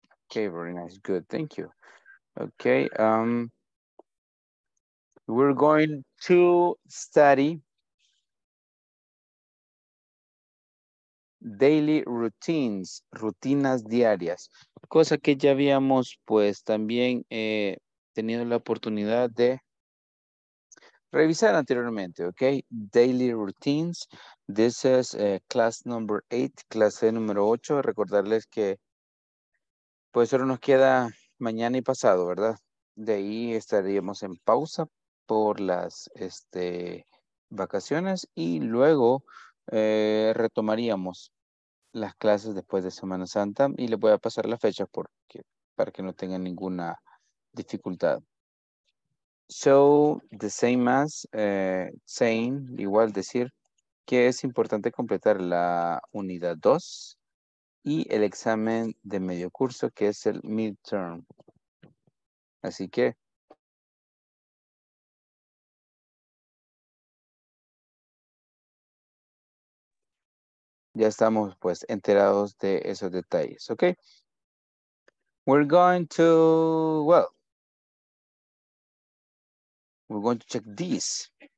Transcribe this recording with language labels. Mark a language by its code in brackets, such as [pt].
[en] Okay, very nice. Good. Thank you. Okay. We're going to study daily routines, [es] rutinas diarias. Cosa que ya habíamos, pues, también tenido la oportunidad de revisar anteriormente, okay? [en] Daily routines. This is class number 8, [es] clase número 8. Recordarles que, pues, solo nos queda mañana y pasado, ¿verdad? De ahí estaríamos en pausa por las vacaciones y luego retomaríamos las clases después de Semana Santa y les voy a pasar la fecha para que no tengan ninguna dificultad. [en] So, the same as saying, [es] igual decir, que es importante completar la unidad 2 y el examen de medio curso, que es el midterm. Así que, ya estamos pues enterados de esos detalles, ¿ok? [en] We're going to, well, we're going to check these.